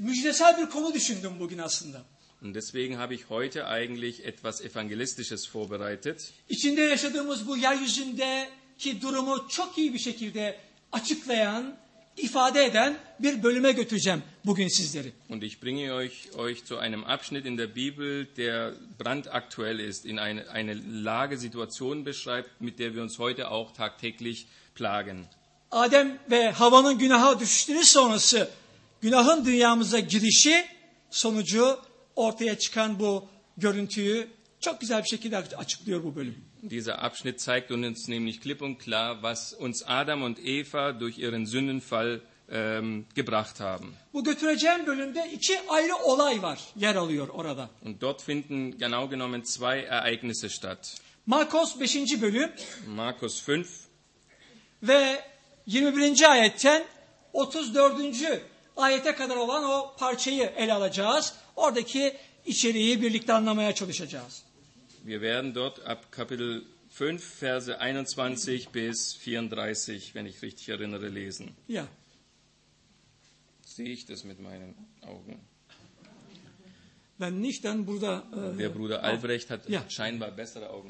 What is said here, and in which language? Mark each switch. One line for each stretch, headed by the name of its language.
Turkish: İşte bir konu düşündüm bugün aslında.
German: Und deswegen habe ich heute eigentlich etwas Evangelistisches vorbereitet.
Turkish: İçinde yaşadığımız bu yeryüzündeki durumu çok iyi bir şekilde açıklayan, ifade eden bir bölüme götüreceğim bugün sizleri.
German: Und ich bringe euch zu einem Abschnitt in der Bibel, der brandaktuell ist, in eine Lagesituation beschreibt, mit der wir uns heute auch tagtäglich plagen.
Turkish: Adem ve Havva'nın günaha düştüğü sonrası, günahın dünyamıza girişi sonucu ortaya çıkan bu görüntüyü çok güzel bir şekilde açıklıyor bu bölüm.
German: Dieser Abschnitt zeigt uns nämlich klipp und klar, was uns Adam und Eva durch ihren Sündenfall gebracht haben.
Turkish: Bu götüreceğim bölümde iki ayrı olay var, yer alıyor orada.
German: Und dort finden genau genommen zwei Ereignisse statt.
Turkish: Markus 5. bölüm.
German: Markus 5.
Turkish: Ve 21. ayetten 34. ayete kadar olan o parçayı ele alacağız. Oradaki içeriği birlikte anlamaya çalışacağız.
German: Wir werden dort ab Kapitel 5, Verse 21 bis 34, wenn ich richtig erinnere, lesen. Ja. Sehe ich das mit meinen Augen? Wenn nicht, dann Bruder... Der Bruder Albrecht hat ja scheinbar bessere Augen.